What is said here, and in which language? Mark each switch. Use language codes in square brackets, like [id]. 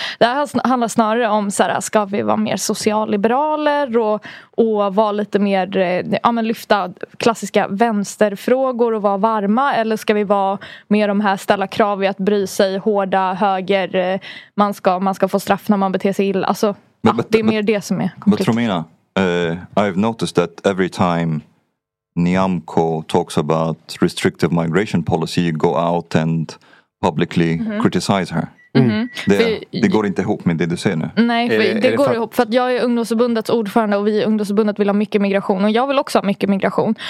[sv] Det här handlar snarare om så här, ska vi vara mer socialliberaler och vara lite mer, ja, men lyfta klassiska vänsterfrågor och vara varma, eller ska vi vara mer de här ställa krav i att bry sig, hårda höger, man ska få straff när man beter sig illa, alltså, det är mer det som är konflikt. [en] But Romina, I've noticed that every time Nyamko talks about restrictive migration policy, you go out and publicly criticize her. [sv] Det går inte ihop med det du säger nu. Nej, det går ihop för att jag är ungdomsförbundets ordförande och vi i ungdomsförbundet vill ha mycket migration, och jag vill också ha mycket migration.